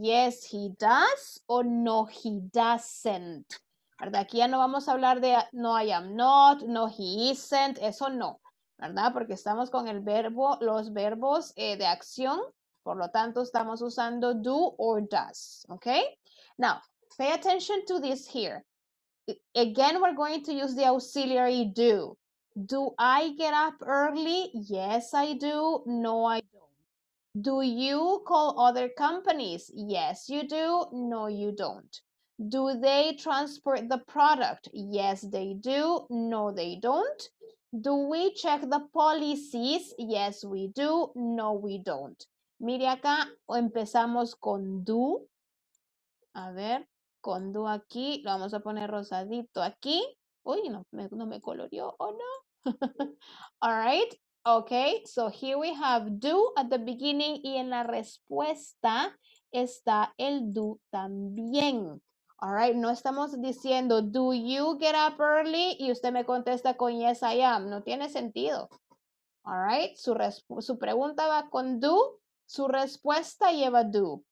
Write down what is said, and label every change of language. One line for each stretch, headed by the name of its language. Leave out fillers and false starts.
English: Yes, he does o no, he doesn't. ¿Verdad?
Spanish: Aquí ya no vamos a hablar de
English: no, I am not, no, he isn't,
Spanish: eso no, ¿verdad? Porque estamos con el verbo, los verbos de acción, por lo tanto estamos usando do or does, ¿ok?
English: Now, pay attention to this here. Again, we're going to use the auxiliary do. Do I get up early? Yes, I do. No, I don't. Do you call other companies? Yes, you do. No, you don't. Do they transport the product? Yes, they do. No, they don't. Do we check the policies? Yes, we do. No, we don't.
Spanish: Mire acá, empezamos con do. A ver, con do aquí. Lo vamos a poner rosadito aquí. Uy, no me coloreó, ¿o no? All right.
English: Okay, so here we have do at the beginning.
Spanish: Y en la respuesta está el do también.
English: All right,
Spanish: no estamos diciendo,
English: do you get up early?
Spanish: Y usted me contesta con
English: yes, I am.
Spanish: No tiene sentido. All right, su pregunta va con do, su respuesta lleva do.